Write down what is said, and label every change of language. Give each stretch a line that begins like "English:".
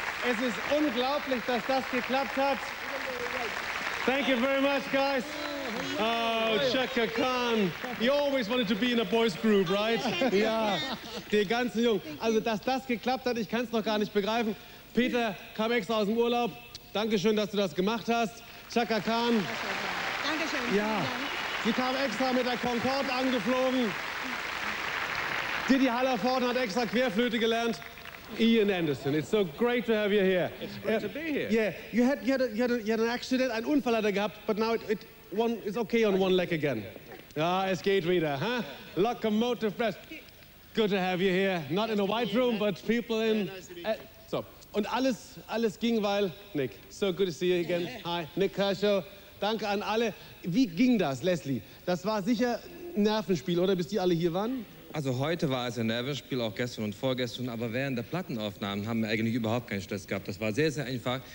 German: Es ist unglaublich, dass das geklappt hat.
English: Thank you very much, guys. Oh, Chaka Khan. You always wanted to be in a boys group, right?
German: Ja, die ganzen Jungen. Also, dass das geklappt hat, ich kann es noch gar nicht begreifen. Peter kam extra aus dem Urlaub. Dankeschön, dass du das gemacht hast. Chaka Khan. Dankeschön. Ja. Sie kam extra mit der Concorde angeflogen. Didi Hallervorden hat extra Querflöte gelernt.
English: Ian Anderson, it's so great to have you here. It's great to be here. Yeah, you had an accident,
German: einen Unfall hat er gehabt,
English: but now it's okay on one leg again.
German: Ja, es geht wieder,
English: huh? Yeah. Locomotive Press. Good to have you here. Not in a white room, but people in.
German: So, und alles ging, weil Nick.
English: So good to see you again. Hi, Nick Kershaw.
German: Danke an alle. Wie ging das, Leslie? Das war sicher ein Nervenspiel, oder? Bis die alle hier waren? Also heute war es ein Nervenspiel, auch gestern und vorgestern. Aber während der Plattenaufnahmen haben wir eigentlich überhaupt keinen Stress gehabt. Das war sehr, sehr einfach.